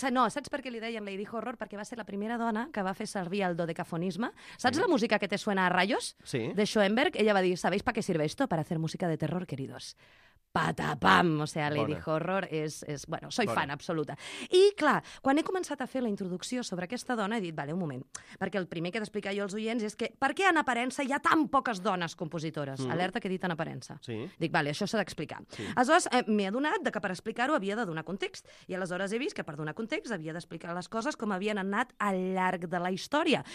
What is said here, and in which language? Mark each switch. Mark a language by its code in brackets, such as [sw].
[ca] Saps per què li deien Lady Horror? Perquè va ser la primera dona que va fer servir el dodecafonisme. [es] Saps la música que te suena a rayos? Sí. De Schoenberg, ella va dir, ¿sabéis para qué sirve esto? Para hacer música de terror, queridos. Patapam! O sea, Lady Bona. Horror és... Bueno, soy Bona. Fan absoluta. [ca] I, clar, quan he començat a fer la introducció sobre aquesta dona, he dit, vale, un moment, perquè el primer que he d'explicar jo als oients és que per què en aparença hi ha tan poques dones compositores? Mm. Alerta que he dit en aparença. Sí. Dic, vale, això s'ha d'explicar. Sí. Aleshores, m'he adonat que per explicar-ho havia de donar context. I aleshores he vist que per donar context havia d'explicar les coses com havien anat al llarg de la història.